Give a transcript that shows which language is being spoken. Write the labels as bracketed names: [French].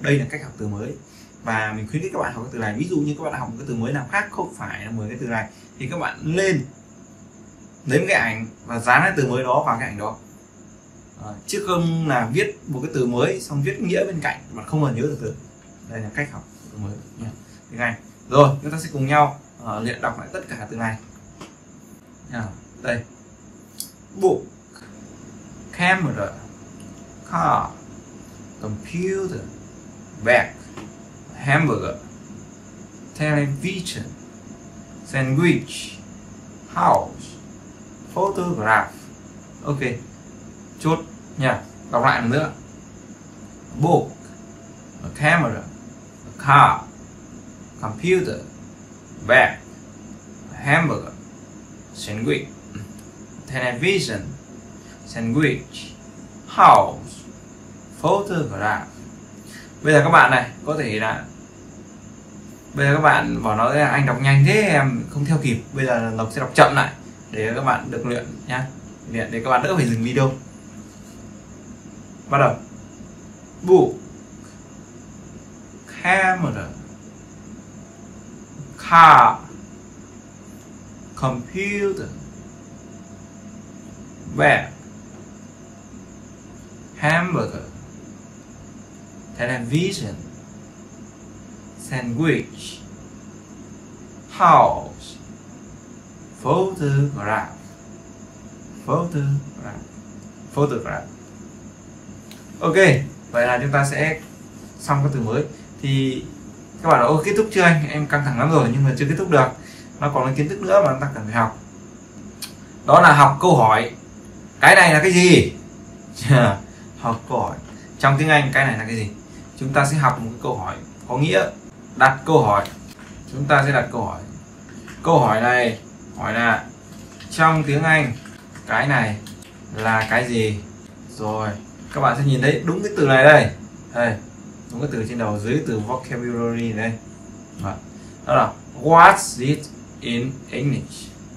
[Vietnamese] Đây là cách học từ mới và mình khuyến khích các bạn học cái từ này. Ví dụ như các bạn học một cái từ mới nào khác không phải là 10 cái từ này thì các bạn lên lấy cái ảnh và dán cái từ mới đó vào cái ảnh đó. chứ không là viết một cái từ mới xong viết nghĩa bên cạnh mà không còn nhớ được từ. Đây là cách học từ mới tiếng Anh. Rồi chúng ta sẽ cùng nhau luyện đọc lại tất cả từ này. [English] Đây, book, camera, car, computer, bag, hamburger, television, sandwich, house, photograph. [Vietnamese] Ok, chốt nha. Đọc lại một nữa. [English] Book, a camera, a car, computer, bag, hamburger, sandwich, television, sandwich, house, photograph. [Vietnamese] Bây giờ các bạn này có thể là bây giờ các bạn bảo nó là anh đọc nhanh thế em không theo kịp. Bây giờ đọc sẽ đọc chậm lại để các bạn được luyện nhá. Luyện để các bạn đỡ phải dừng video. Bắt đầu. [English] Book, camera, car, computer, bag, hamburger, television, sandwich, house, photograph, photograph, photograph. [Vietnamese] Ok, vậy là chúng ta sẽ xong cái từ mới. Thì các bạn đã kết thúc chưa anh? Em căng thẳng lắm rồi nhưng mà chưa kết thúc được. Nó còn kiến thức nữa mà chúng ta cần phải học. Đó là học câu hỏi. Cái này là cái gì? Học câu hỏi. Trong tiếng Anh cái này là cái gì? Chúng ta sẽ học một câu hỏi có nghĩa. Đặt câu hỏi. Chúng ta sẽ đặt câu hỏi. Câu hỏi này hỏi là trong tiếng Anh cái này là cái gì? Rồi các bạn sẽ nhìn thấy đúng cái từ này đây. Đây, đúng cái từ trên đầu dưới từ vocabulary đây. Đó là [English] what's this in English?